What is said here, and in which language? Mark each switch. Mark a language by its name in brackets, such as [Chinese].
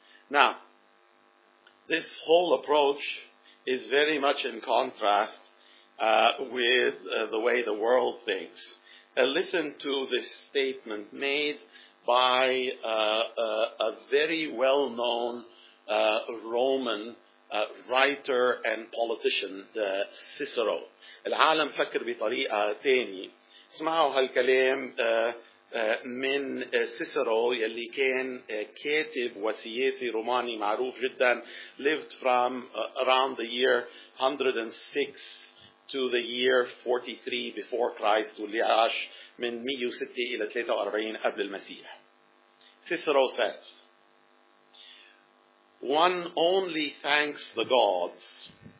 [English] Now, this whole approach is very much in contrast with the way the world thinks. Listen to this statement made by a very well-known Roman writer and politician, Cicero. [Arabic] العالم فكر بطريقة تانية. اسمعوا هالكلام من سيسرو يلي كان كاتب وسياسي روماني معروف جدا. [English] Lived from around the year 106 to the year 43 before Christ, [Arabic] واللي عاش من 106 إلى 43 قبل المسيح. [English] Cicero says, one only thanks the gods.